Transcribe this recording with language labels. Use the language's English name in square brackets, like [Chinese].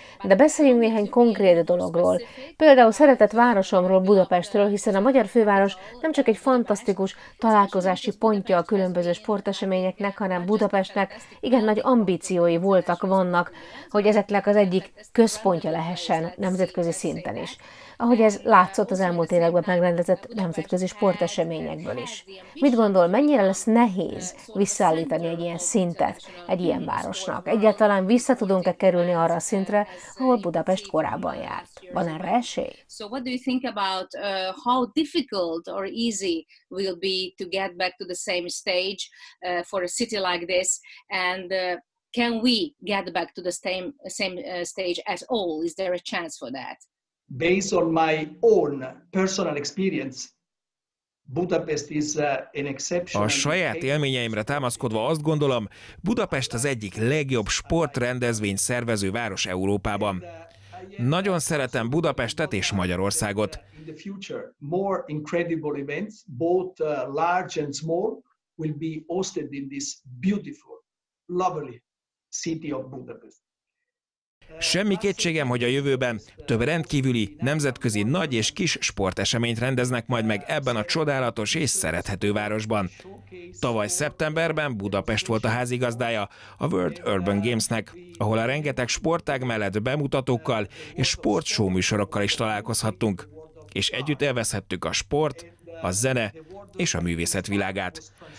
[Hungarian] De beszéljünk néhány konkrét dologról. Például szeretett városomról, Budapestről, hiszen a magyar főváros nem csak egy fantasztikus találkozási pontja a különböző sporteseményeknek, hanem Budapestnek igen nagy ambíciói voltak, vannak, hogy ezeknek az egyik központja lehessen nemzetközi szinten is. Ahogy ez látszott az elmúlt években megrendezett nemzetközi sporteseményekből is. Mit gondol, mennyire lesz nehéz visszaállítani egy ilyen szintet egy ilyen városnak? Egyáltalán vissza tudunk-e kerülni arra a szintre, ahol Budapest korábban járt? Van erre esély? [English] So what do you think about how difficult or easy will be to get back to the same stage for a city like this? And can we get back to the same stage at all? Is there a chance for that? Based on my own personal experience, Budapest is an exception. [Hungarian] A saját élményeimre támaszkodva azt gondolom, Budapest az egyik legjobb sportrendezvény szervező város Európában. Nagyon szeretem Budapestet és Magyarországot. [English] In the future, more incredible events, both large and small, will be hosted in this beautiful, lovely city of Budapest. [Hungarian] Semmi kétségem, hogy a jövőben több rendkívüli, nemzetközi nagy és kis sporteseményt rendeznek majd meg ebben a csodálatos és szerethető városban. Tavaly szeptemberben Budapest volt a házigazdája a World Urban Gamesnek, ahol a rengeteg sportág mellett bemutatókkal és sportshowműsorokkal is találkozhattunk, és együtt élvezhettük a sport, a zene és a művészet világát.